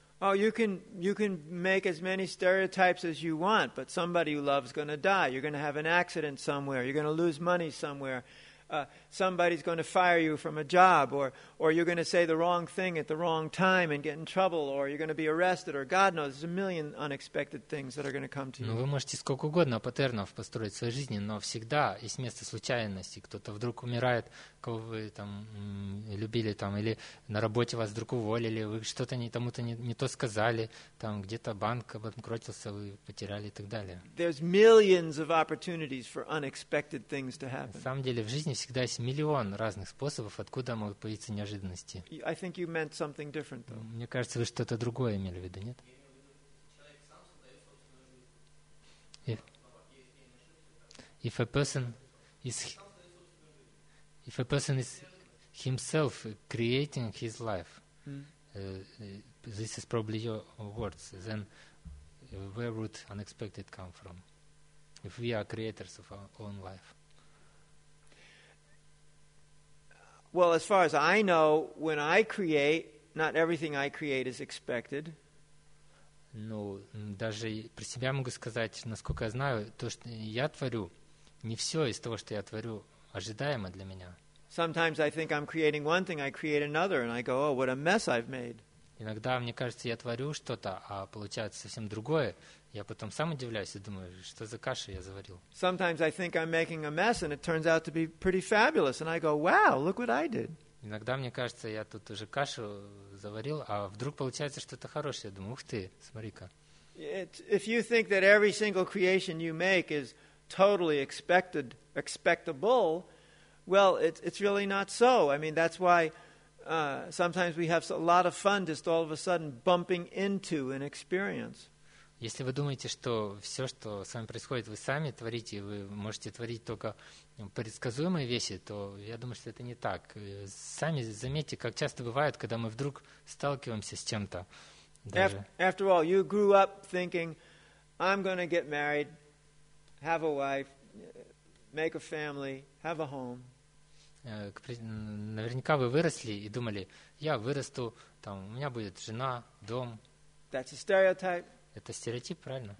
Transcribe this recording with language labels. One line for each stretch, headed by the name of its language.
English: Oh, you can make as many stereotypes as you want, but somebody you love is going to die. You're going to have an accident somewhere. You're going to lose money somewhere. Somebody's going to fire you from a job, or you're going to say the wrong thing at the wrong time and get in trouble, or you're going to be arrested, or God knows, there's a million unexpected things that are going to come to you.
Russian: Ну, вы можете сколько угодно паттернов построить в своей жизни, но всегда есть место случайности. Кто-то вдруг умирает, кого вы там любили, там, или на работе вас вдруг уволили, вы что-то не, тому-то не то сказали, там, где-то банк обанкротился, вы потеряли и так далее.
English: There's millions of opportunities for unexpected things to happen.
Russian: На самом деле, в жизни всегда есть миллион разных способов, откуда могут появиться неожиданности.
English: I think you meant something different, though.
Russian: Мне кажется, вы что-то другое имели в виду, нет?
English: If a person is himself creating his life, this is probably your words, then where would unexpected come from? If we are creators of our own life. Well, as far as I know, when I create, not everything I create is expected.
Russian: Ну, даже про себя могу сказать, насколько я знаю, то, что я творю, не все из того, что я творю, ожидаемо для меня.
English: Sometimes I think I'm creating one thing, I create another, and I go, oh, what a mess I've made.
Russian: Иногда мне кажется, я творю что-то, а получается совсем другое. Я потом сам удивляюсь и думаю, что за кашу я заварил.
English: Sometimes I think I'm making a mess and it turns out to be pretty fabulous and I go, wow, look what I did.
Russian: Иногда мне кажется, я тут уже кашу заварил, а вдруг получается что-то хорошее. Я думаю, ух ты, смотри-ка.
English: If you think that every single creation you make is totally expectable, well, it's really not so. I mean, that's why sometimes we have a lot of fun just all of a sudden bumping into an experience.
Russian: Если вы думаете, что все, что с вами происходит, вы сами творите, вы можете творить только предсказуемые вещи, то я думаю, что это не так. Сами заметьте, как часто бывает, когда мы вдруг сталкиваемся с чем-то. Даже.
English: After all, you grew up thinking, I'm going to get married, have a wife, make a family, have a home.
Russian: Наверняка вы выросли и думали, я вырасту, там, у меня будет жена, дом.
English: That's a stereotype.
Russian: Это стереотип, правильно?